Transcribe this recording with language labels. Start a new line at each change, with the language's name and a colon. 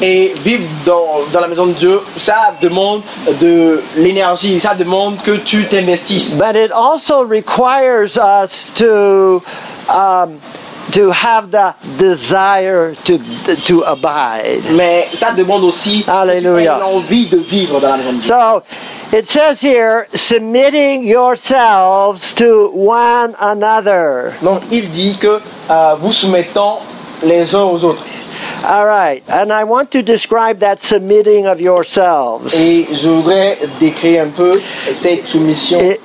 French: Et vivre dans la maison de Dieu, ça demande de l'énergie, ça demande que tu t'investisses.
English: But it also requires us to have the desire to abide.
French: Mais ça demande aussi Hallelujah. L'envie de vivre dans la maison de Dieu.
English: So, it says here, submitting yourselves to one another.
French: Donc, il dit que vous soumettant les uns aux autres.
English: All right, and I want to describe that submitting of yourselves.
French: Et je voudrais décrire un peu cette soumission.